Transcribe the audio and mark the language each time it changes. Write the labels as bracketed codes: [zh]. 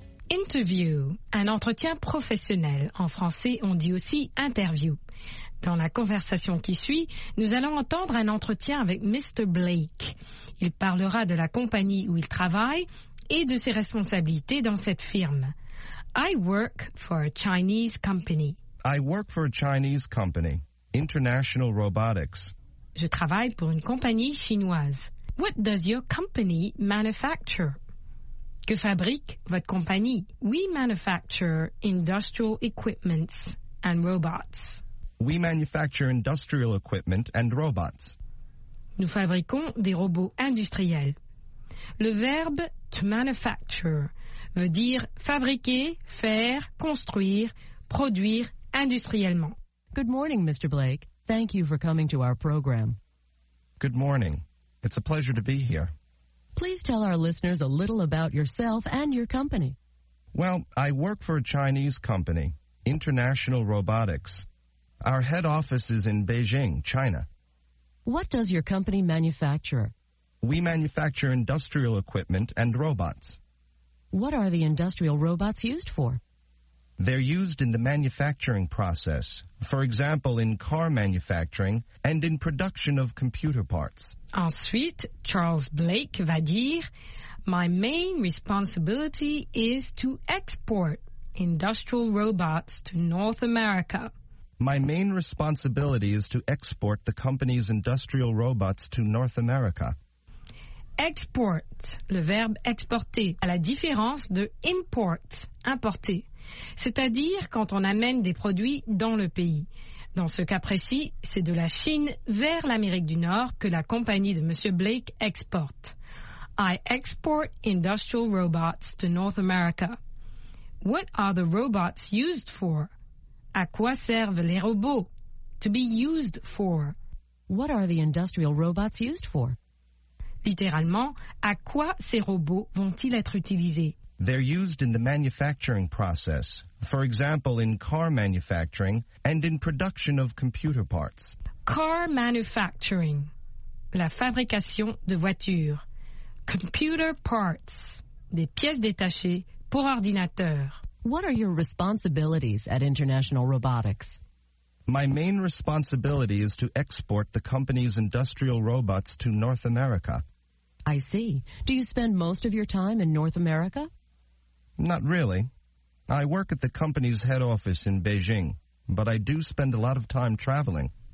[fr] Interview, un entretien professionnel. En français, on dit aussi interview. Dans la conversation qui suit, nous allons entendre un entretien avec Mr. Blake. Il parlera de la compagnie où il travaille et de ses responsabilités dans cette firme. [en] I work for a Chinese company. I work for a Chinese company, International Robotics. [fr] Je travaille pour une compagnie chinoise. [en] What does your company manufacture? [fr] Que fabrique votre compagnie? [en] We manufacture industrial equipments and robots. We manufacture industrial equipment and robots. [fr] Nous fabriquons des robots industriels. Le verbe to manufacture veut dire fabriquer, faire, construire, produire industriellement. [en] Good morning, Mr. Blake. Thank you for coming to our program. Good morning. It's a pleasure to be here. Please tell our listeners a little about yourself and your company. Well, I work for a Chinese company, International Robotics. Our head office is in Beijing, China. What does your company manufacture? We manufacture industrial equipment and robots. What are the industrial robots used for? They're used in the manufacturing process, for example, in car manufacturing and in production of computer parts. [fr] Ensuite, Charles Blake va dire, [en] My main responsibility is to export industrial robots to North America. My main responsibility is to export the company's industrial robots to North America. [fr] Export, le verbe exporter, à la différence de import, importer, c'est-à-dire quand on amène des produits dans le pays. Dans ce cas précis, c'est de la Chine vers l'Amérique du Nord que la compagnie de Monsieur Blake exporte. [en] I export industrial robots to North America. What are the robots used for? [fr] À quoi servent les robots? [en] To be used for. What are the industrial robots used for? [fr] Littéralement, à quoi ces robots vont-ils être utilisés? [en] They're used in the manufacturing process. For example, in car manufacturing and in production of computer parts. Car manufacturing. [fr] La fabrication de voitures. [en] Computer parts. [fr] Des pièces détachées pour ordinateur. [en] What are your responsibilities at International Robotics? My main responsibility is to export the company's industrial robots to North America. I see. Do you spend most of your time in North America? Not really. I work at the company's head office in Beijing, but I do spend a lot of time traveling.